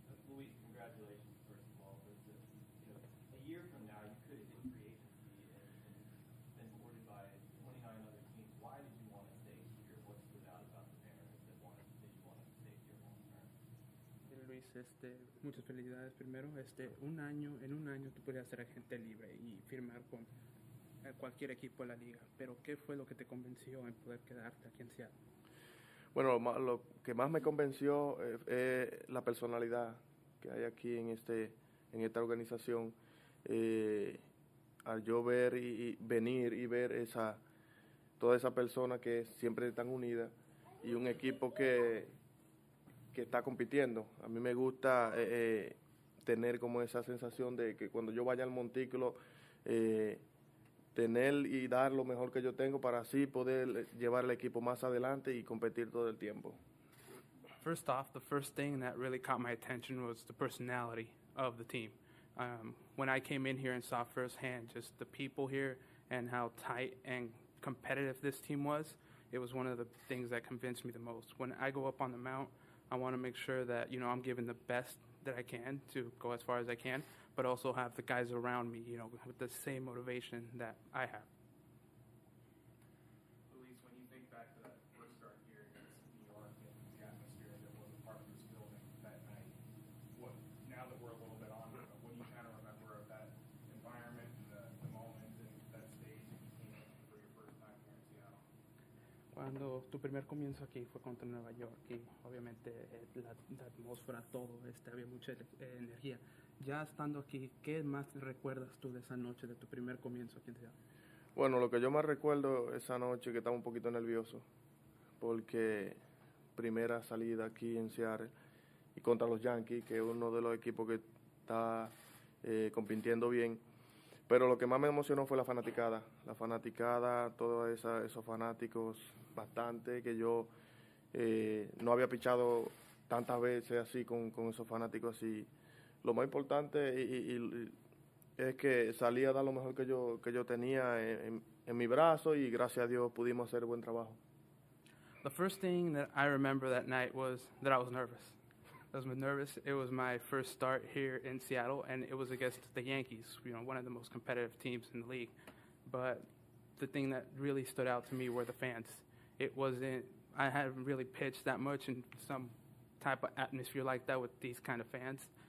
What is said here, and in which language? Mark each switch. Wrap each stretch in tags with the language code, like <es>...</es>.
<en>Luis, congratulations, first of all. A year from now, you could have been free agency and been courted by 29 other teams. Why did you want to stay here? What stood out about the Mariners that wanted to take</en> <es>este, muchas felicidades primero. Este, un año, en un año tú podrías ser agente libre y firmar con cualquier equipo de la liga. Pero ¿qué fue lo que te convenció en poder quedarte aquí en Seattle? Bueno, lo que más me convenció es la personalidad que hay aquí en este, en esta organización. Al yo ver y venir y ver esa, toda esa persona que siempre están unidas y un equipo que está compitiendo. A mí me gusta tener como esa sensación de que cuando yo vaya al montículo, tener y dar lo mejor que yo tengo para así poder llevar el equipo más adelante y competir todo el tiempo.</es> <en>First off, the first thing that really caught my attention was the personality of the team. When I came in here and saw firsthand just the people here and how tight and competitive this team was, it was one of the things that convinced me the most. When I go up on the mount, I want to make sure that, you know, I'm giving the best that I can to go as far as I can, but also have the guys around me, you know, with the same motivation that I have. Elise, when you think back to that first start here against New York and the atmosphere that was a part of this building that night, what, now that we're a little bit on, what do you kind of remember of that environment and the moment and that stage that you came for your first time here in Seattle?</en> <es>Cuando tu primer comienzo aquí fue contra Nueva York y obviamente la atmósfera, todo, había mucha energía. Ya estando aquí, ¿qué más recuerdas tú de esa noche, de tu primer comienzo aquí en Seattle? Bueno, lo que yo más recuerdo esa noche, que estaba un poquito nervioso, porque primera salida aquí en Seattle y contra los Yankees, que es uno de los equipos que está compitiendo bien. Pero lo que más me emocionó fue la fanaticada, todos esos fanáticos, bastante, que yo no había pichado tantas veces así con esos fanáticos así. Lo más importante y es que salí a dar lo mejor que yo tenía en mi brazo y gracias a Dios pudimos hacer buen trabajo.</es> <en>The first thing that I remember that night was that I was nervous. I was nervous. It was my first start here in Seattle, and it was against the Yankees, you know, one of the most competitive teams in the league. But the thing that really stood out to me were the fans. I hadn't really pitched that much in some type of atmosphere like that with these kind of fans.</en>